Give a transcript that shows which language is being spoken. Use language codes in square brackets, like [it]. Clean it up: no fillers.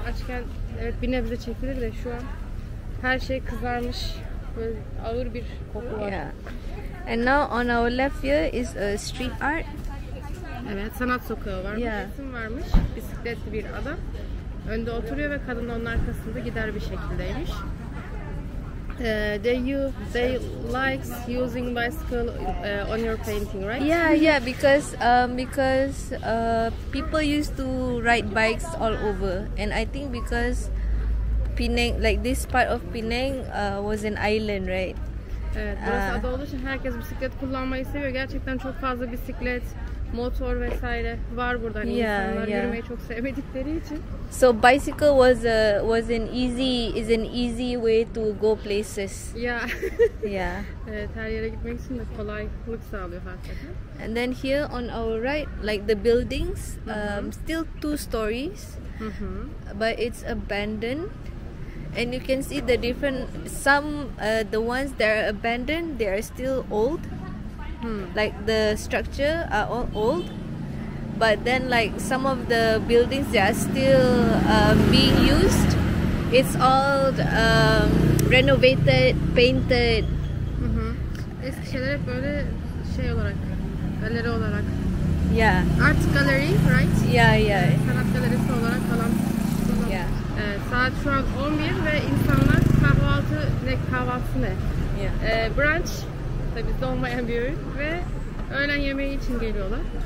[tr] Açken evet bir nebze çekilir de şu an her şey kızarmış. Böyle ağır bir koku var. [en] Yeah. And now on our left here is a street art. [tr] Evet, sanat sokağı varmış. Yeah. İsim varmış. Bisikletli bir adam. Önde oturuyor ve kadın onun arkasında gider bir şekildeymiş. [en] They likes using bicycle on your painting, right? Yeah, because people used to ride bikes all over, and I think because Penang, like this part of Penang, was an island, right? [tr] Evet, burası ada olduğu için herkes bisiklet kullanmayı seviyor. Gerçekten çok fazla bisiklet, motor vesaire var burada. Yeah, insanlar yürümeyi çok sevmedikleri için. [en] So bicycle was an easy way to go places. Yeah. Yeah. [tr] Evet, her yere gitmek için de kolaylık sağlıyor hakikaten. [en] And then here on our right, like the buildings, still two stories, but it's abandoned. And you can see the different, some the ones that are abandoned, they are still old. Like the structure are all old. But then, like some of the buildings that are still being used, it's all renovated, painted. [tr] Eski şeyler hep böyle şey olarak, galeri olarak. [en] Yeah. Art gallery, right? Yeah. [tr] Sanat galerisi olarak falan. [en] Yeah. [tr] Saat şu an 11 ve insanlar kahvaltı ne? [en] Yeah. [tr] Brunch, tabi dolmayan bir öğün ve öğlen yemeği için geliyorlar.